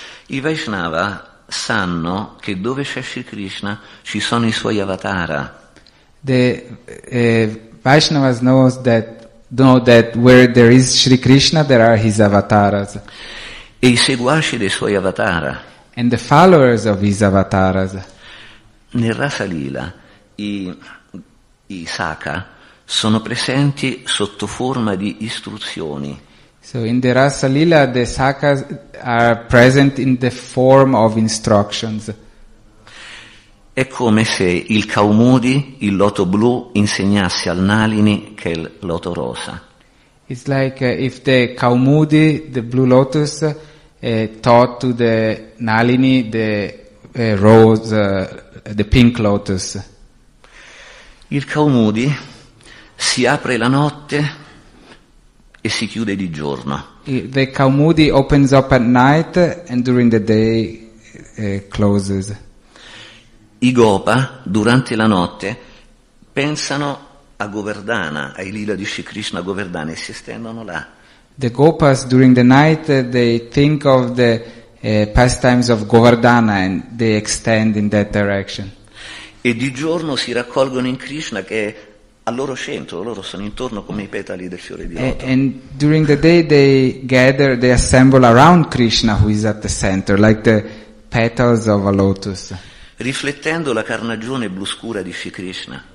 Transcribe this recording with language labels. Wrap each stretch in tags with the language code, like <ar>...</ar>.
<it>I Vaishnava sanno che dove c'è Sri Krishna ci sono i suoi avatara.</it> <en>The Vaishnavas know that where there is Sri Krishna there are his avataras.</en> <it>E i seguaci dei suoi avatara.</it> <en>And the followers of his avataras.</en> <it>Nel Rasa Lila i Saka sono presenti sotto forma di istruzioni.</it> <en>So in the Rasa Lila the Sakas are present in the form of instructions.</en> <it>È come se il Kaumudi, il loto blu, insegnasse al Nalini che è il loto rosa.</it> <en>It's like if the Kaumudi, the blue lotus, taught to the Nalini the rose, the pink lotus.</en> <it>Il Kaumudi si apre la notte e si chiude di giorno.</it> <en>The Kaumudi opens up at night and during the day closes.</en> <it>I Gopa durante la notte pensano a Govardhana, ai lila di Sri Krishna Govardhana, e si estendono là.</it> <en>The Gopas during the night they think of the pastimes of Govardhana and they extend in that direction.</en> <it>E di giorno si raccolgono in Krishna che è al loro centro, loro sono intorno come i petali del fiore di loto.</it> <en>And during the day they gather, they assemble around Krishna who is at the center, like the petals of a lotus.</en> <it>Riflettendo la carnagione blu scura di Sri Krishna.</it>